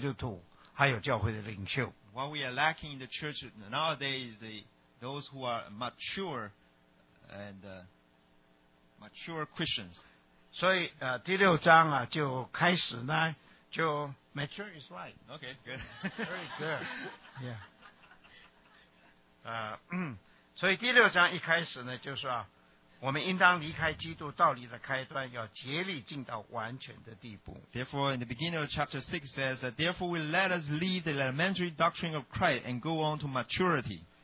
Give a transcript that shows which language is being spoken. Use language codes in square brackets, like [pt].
[zh] 你知道今天呢，在教会里面呢，就是缺少那些成熟的而有深度的基督徒，还有教会的领袖。 [en] What we are lacking in the church nowadays is the those who are mature and mature Christians. [zh] 所以第六章啊就开始呢就 [en] mature is right. Okay, good. Very good. Yeah. [zh] 所以第六章一开始呢就说啊，我们应当离开基督道理的开端，要竭力进到完全的地步。 [en] Therefore, in the beginning of chapter 6 says that therefore we let us leave the elementary doctrine of Christ and go on to maturity.